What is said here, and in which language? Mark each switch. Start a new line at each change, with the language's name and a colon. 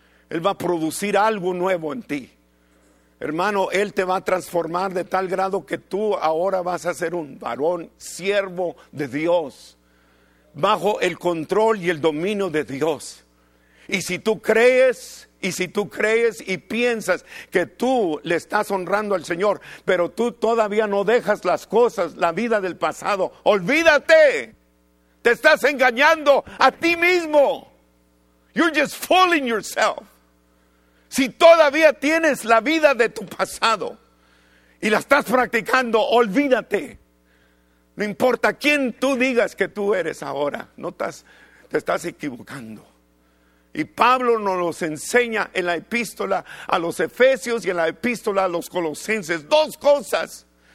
Spanish: Él va a producir algo nuevo en ti. Hermano, Él te va a transformar de tal grado que tú ahora vas a ser un varón, siervo de Dios, bajo el control y el dominio de Dios. Y si tú crees, y si tú crees y piensas que tú le estás honrando al Señor, pero tú todavía no dejas las cosas, la vida del pasado, olvídate. Te estás engañando a ti mismo.
English: You're just fooling yourself.
Spanish: Si todavía tienes la vida de tu pasado y la estás practicando, olvídate. No importa quién tú digas que tú eres ahora, te estás equivocando. Y Pablo nos los enseña en la epístola a los Efesios y en la epístola a los Colosenses. Dos cosas.